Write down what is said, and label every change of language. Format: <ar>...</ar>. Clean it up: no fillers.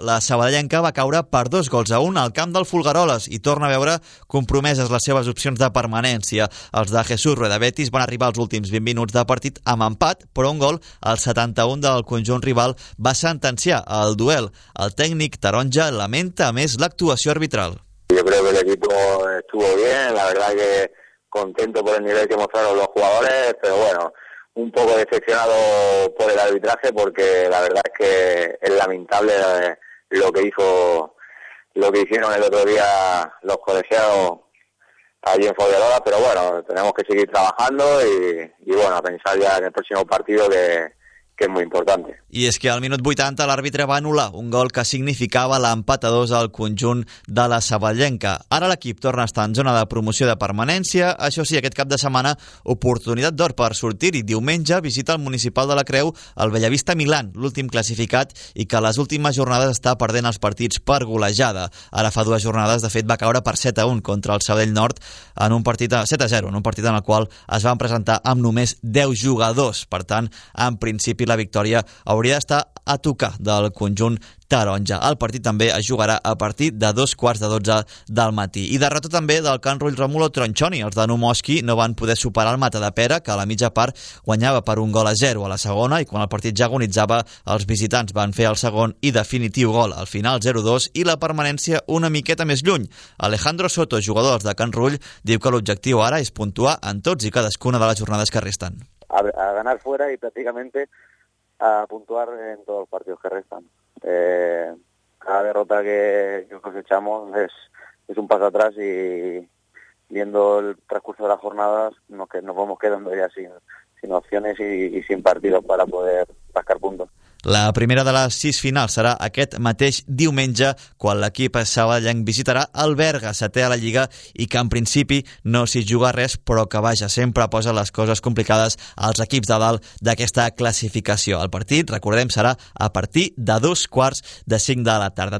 <ca>La sabadellenca va caure per 2-1 al camp del Folgueroles i torna a veure compromeses les seves opcions de permanència. Els de Jesús Rueda Betis van arribar als últims 20 minuts de partit amb empat, però un gol, el 71 del conjunt rival, va sentenciar el duel. El tècnic taronja lamenta més l'actuació arbitral.</ca> <es>Yo creo que el equipo estuvo bien, la verdad que contento por el nivel que mostraron los jugadores, pero bueno, un poco decepcionado por el arbitraje, porque la verdad es que es lamentable lo que hicieron el otro día los colegiados allí en Folgueroles, pero bueno, tenemos que seguir trabajando y bueno, a pensar ya en el próximo partido que es muy importante.</es> <ca>I és que al minut 80 l'àrbitre va anul·lar un gol que significava l'empat a 2 al conjunt de la sabadellenca. Ara l'equip torna a estar en zona de promoció de permanència, això sí, aquest cap de setmana oportunitat d'or per sortir i diumenge visita el municipal de la Creu el Bellavista Milan, l'últim classificat i que les últimes jornades està perdent els partits per golejada. Ara fa dues jornades, de fet, va caure per 7-1 contra el Sabadell Nord en un partit de 7-0, en un partit en el qual es van presentar amb només 10 jugadors. Per tant, en principi la victòria hauria d'estar a tocar del conjunt taronja. El partit també es jugarà a partir de 2:15 del matí. I de retó també del Can Rull Romulo Tronchoni. Els de Numoski no van poder superar el Matadepera, que a la mitja part guanyava per 1-0 a la segona, i quan el partit ja agonitzava, els visitants van fer el segon i definitiu gol. Al final 0-2 i la permanència una miqueta més lluny. Alejandro Soto, jugador de Can Rull, diu que l'objectiu ara és puntuar en tots i cadascuna de les jornades que resten.</ca> <es>A ganar fuera y prácticamente a puntuar en todos los partidos que restan. Cada derrota que cosechamos es un paso atrás, y viendo el transcurso de las jornadas nos vamos quedando ya sin opciones y sin partidos para poder rascar puntos.</es> <ca>La primera de les sis finals serà aquest mateix diumenge, quan l'equip sabadellenc visitarà el Berga, setè a la Lliga, i que en principi no s'hi juga res, però que vaja, sempre posa les coses complicades als equips de dalt d'aquesta classificació. El partit, recordem, serà a partir de 4:45 de la tarda.</ca>